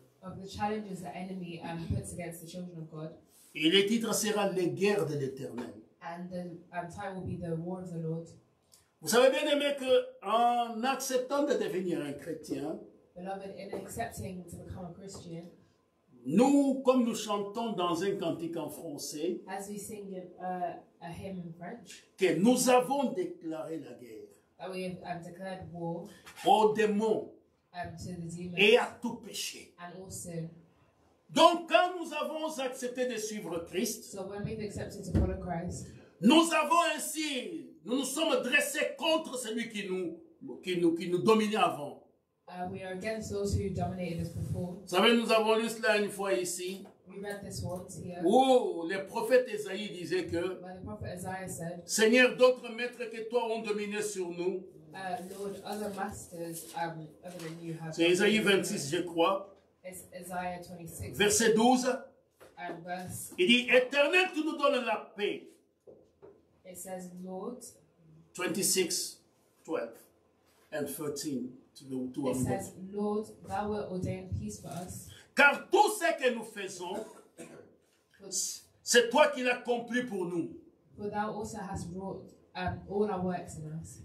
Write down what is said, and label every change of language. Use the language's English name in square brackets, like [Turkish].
[English] Of the challenges the enemy puts against the children of God. [French] Et le titre sera les guerres de l'Éternel. [English] And the title will be the war of the Lord. [French] Vous savez bien aimé que en acceptant de devenir un chrétien, [English] beloved, in accepting to become a Christian, [French] nous, comme nous chantons dans un cantique en français, [English] as we sing a hymn in French, [French] que nous avons déclaré la guerre, [English] that we have declared war, [French] aux démons, [English] to the demons, [French] et à tout péché. [English] And also, [French] donc, quand nous avons accepté de suivre Christ, [English] so when we've accepted to follow Christ, [French] nous avons ainsi, nous nous sommes dressés contre celui qui nous dominait avant. [English] We are against those who dominated us before. [French] Vous savez, nous avons lu cela une fois ici. [English] We read this once here. [French] Où le prophète Esaïe disait que, [English] when the prophet Isaiah said, [French] Seigneur, d'autres maîtres que toi ont dominé sur nous. [English] Lord, other masters other than you have. [French] C'est Esaïe 26, je crois. [English] It's Isaiah 26. [French] Verset 12. [English] And verse. [French] Il dit, Éternel, tu nous donnes la paix. [English] It says, Lord. 26, 12 and 13. To it says, Lord, thou wilt ordain peace for us. [French] Car tout ce que nous faisons, c'est toi qui l'accomplis pour nous. [English] For thou also hast wrought all our works in us.